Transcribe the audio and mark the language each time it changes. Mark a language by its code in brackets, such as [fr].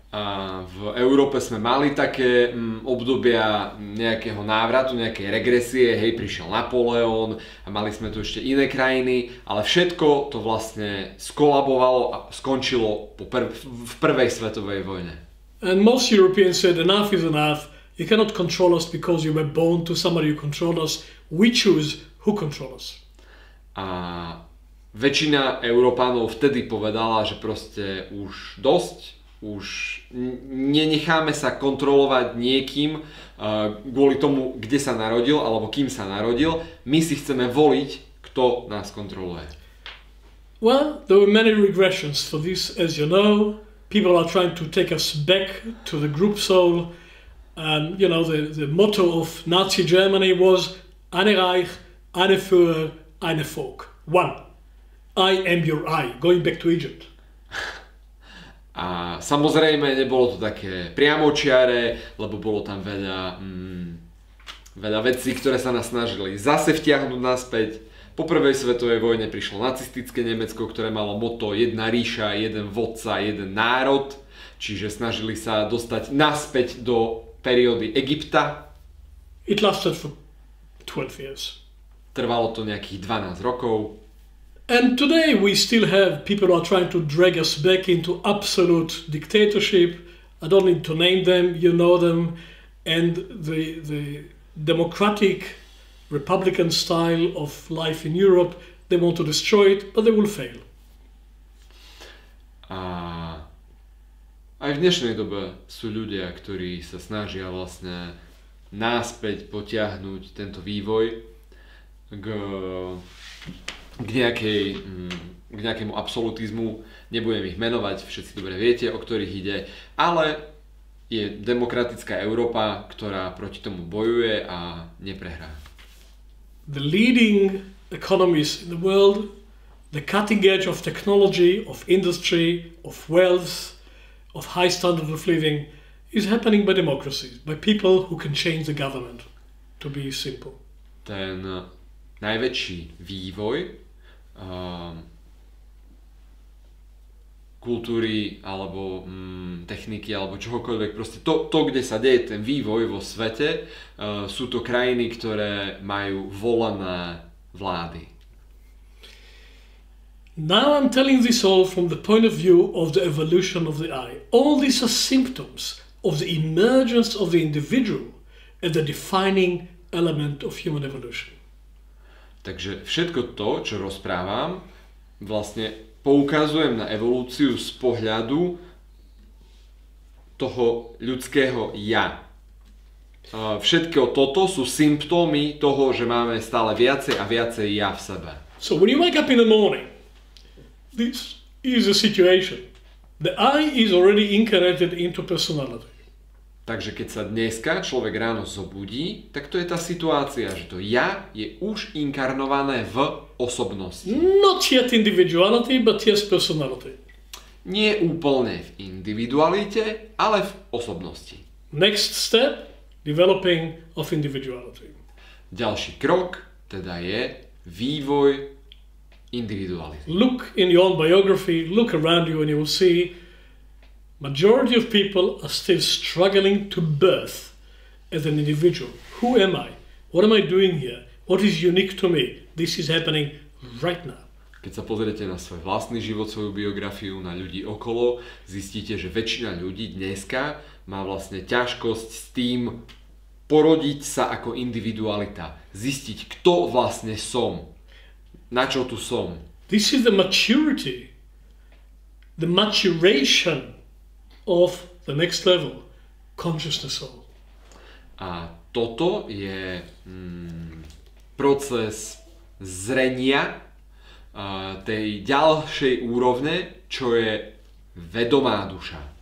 [sk] A v Európe sme mali také obdobia nejakého návratu, nejakej regresie, hej, prišiel Napoleon a mali sme tu ešte iné krajiny, ale všetko to vlastne skolabovalo a skončilo v prvej svetovej vojne. [en] And most Europeans said enough is enough, you cannot control us because you were born to somebody who controls us, we choose who controls us. [sk] A väčšina Európanov vtedy povedala, že proste už dosť, už nenecháme sa kontrolovať niekým kvôli tomu, kde sa narodil alebo kým sa narodil. My si chceme voliť, kto nás kontroluje. [en] Well, there were many regressions for this, as you know. People are trying to take us back to the group soul. You know, the motto of Nazi Germany was [de] Eine Reich, eine Führer, eine Volk. [en] One. I am your eye. Going back to Egypt. [sk] A samozrejme, nebolo to také priamočiare, lebo bolo tam veľa, veľa vecí, ktoré sa nás snažili zase vtiahnuť naspäť. Po prvej svetovej vojne prišlo nacistické Nemecko, ktoré malo motto jedna ríša, jeden vodca, jeden národ. Čiže snažili sa dostať naspäť do periódy Egypta. [en] It lasted for 12 years. [sk] Trvalo to nejakých 12 rokov. [en] And today we still have people who are trying to drag us back into absolute dictatorship. I don't need to name them, you know them. And the democratic republican style of life in Europe, they want to destroy it, but they will fail. [sk] Aj v dnešnej dobe sú ľudia, ktorí sa snažia vlastne náspäť potiahnuť tento vývoj k nejakému absolutizmu, nebudem ich menovať, všetci dobre viete, o ktorých ide, ale je demokratická Európa, ktorá proti tomu bojuje a neprehrá. [en] The leading economies in the world, the cutting edge of technology, of industry, of wealth, of high standard of living, is happening by democracies, by people who can change the government, to be simple. [sk] Ten najväčší vývoj kultúry alebo techniky alebo čohokoľvek, proste to, kde sa deje ten vývoj vo svete, sú to krajiny, ktoré majú volené vlády. [en] Now I'm telling this all from the point of view of the evolution of the eye. All these are symptoms of the emergence of the individual as the defining element of human evolution. [sk] Takže všetko to, čo rozprávam, vlastne poukazujem na evolúciu z pohľadu toho ľudského ja. Všetko toto sú symptómy toho, že máme stále viacej a viacej ja v sebe. [en] So when you wake up in the morning, this is a situation. The I is already incarnated into personality. [sk] Takže keď sa dneska človek ráno zobudí, tak to je tá situácia, že to ja je už inkarnované v osobnosti. [en] Not yet individuality, but yes personality. [sk] Nie úplne v individualite, ale v osobnosti. [en] Next step, developing of individuality. [sk] Ďalší krok teda je vývoj [en] individualism. Look in your own biography, look around you, and you will see majority of people are still struggling to birth as an individual. Who am I? What am I doing here? What is unique to me? This is happening right now. [sk] Keď sa pozriete na svoj vlastný život, svoju biografiu, na ľudí okolo, zistíte, že väčšina ľudí dneska má vlastne ťažkosť s tým porodiť sa ako individualita. Zistiť, kto vlastne som. Na čo tu som. [en] This is the maturity, the maturation of the next level, consciousness soul. [sk] A toto je proces zrenia tej ďalšej úrovne, čo je vedomá duša.